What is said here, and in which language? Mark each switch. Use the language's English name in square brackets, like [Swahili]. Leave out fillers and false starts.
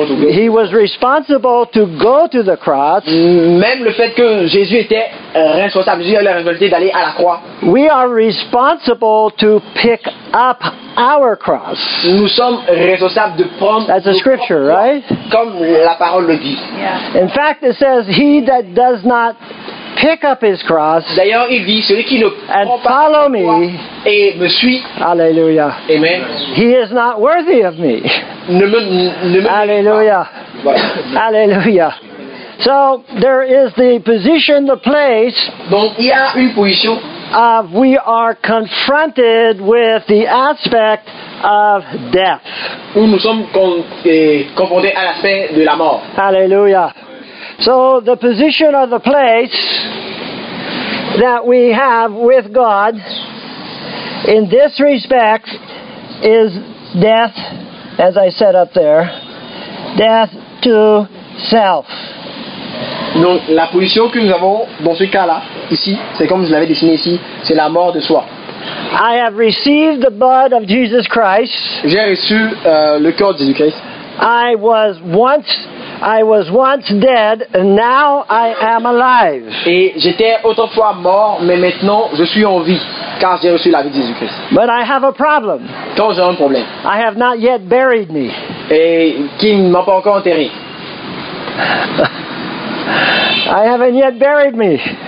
[English] he was responsible to go to the cross. [French] Même le fait que Jésus était responsable, Jésus a la responsabilité d'aller à la croix. [English] We are responsible to pick up our cross. [French] Nous sommes responsables de prendre. [English] That's a scripture, right? [French] Comme la parole le dit. [English] Yeah. In fact, it says, "He that does not pick up his cross." [French] D'ailleurs, il dit, celui qui ne [English] and follow me. [French] Et me suit. Alléluia. Amen. [English] He is not worthy of me. [French] Ne me Alléluia. Voilà. [English] Alléluia. So there is the position, the place. [French] Donc il y a une position. [English] Of we are confronted with the aspect of death. [French] Où nous sommes confrontés à l'aspect de la mort. Alléluia. [English] So the position or the place that we have with God in this respect is death, as I said up there, death to self. [French] Donc la position que nous avons dans ce cas-là, ici, c'est comme je l'avais dessiné ici, c'est la mort de soi. [English] I have received the blood of Jesus Christ. [French] J'ai reçu le corps de Jésus-Christ. [English] I was once dead, and now I am alive. [French] Et j'étais autrefois mort, mais maintenant je suis en vie, car j'ai reçu la vie de Jésus-Christ. [English] But I have a problem. [French] Quand j'ai un problème. [English] I have not yet buried me. [French] Et qui ne m'a pas encore enterré. [English] I haven't yet buried me.